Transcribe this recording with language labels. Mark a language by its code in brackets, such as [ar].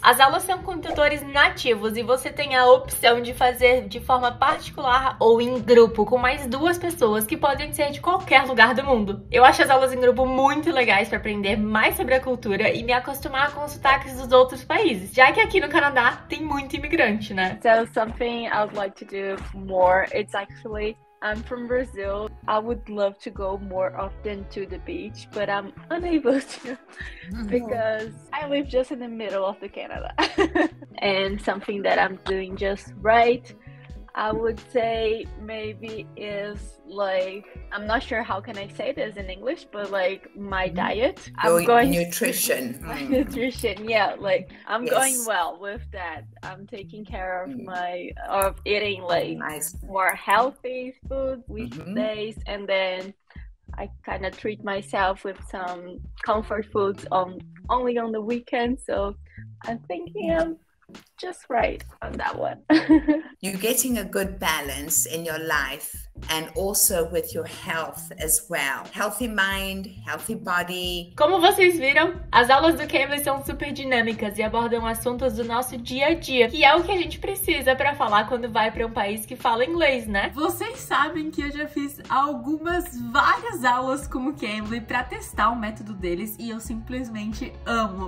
[pt] As aulas são com tutores nativos e você tem a opção de fazer de forma particular ou em grupo com mais 2 pessoas que podem ser de qualquer lugar do mundo. Eu acho as aulas em grupo muito legais para aprender mais sobre a cultura e me acostumar com os sotaques dos outros países, já que aqui no Canadá tem muito imigrante, né? [en] So something I would like to do more, it's actually I'm from Brazil. I would love to go more often to the beach, but I'm unable to because I live just in the middle of the Canada. And something that I'm doing just right, I would say maybe is like, I'm not sure how can I say this in English, but like my diet. Nutrition. Nutrition, yeah, like I'm going well with that. I'm taking care of of eating like more healthy food weekdays and then I kind of treat myself with some comfort foods only on the weekend. So I'm thinking I'm just right on that one. You're getting a good balance in your life and also with your health as well. Healthy mind, healthy body. [pt] Como vocês viram, as aulas do Cambly são super dinâmicas e abordam assuntos do nosso dia a dia, que é o que a gente precisa para falar quando vai para um país que fala inglês, né? Vocês sabem que eu já fiz algumas, várias aulas com o Cambly para testar o método deles e eu simplesmente amo.